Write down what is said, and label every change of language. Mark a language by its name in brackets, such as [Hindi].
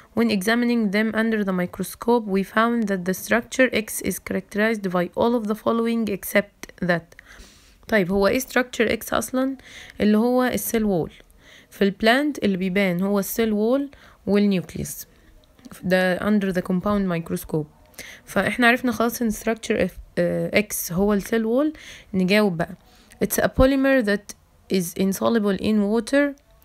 [English] When examining them under the microscope, we found that the structure X is characterized by all of the following except that. [Arabic] طيب هو ايه structure X اصلا؟ اللي هو cell wall. في البلانت اللي بيبان هو السيل وول والنيوكليس ده [English] under the compound microscope. [Arabic] فاحنا عرفنا خلاص ان structure X هو السيل وول. نجاوب بقى: [English] it's a polymer that is insoluble in water.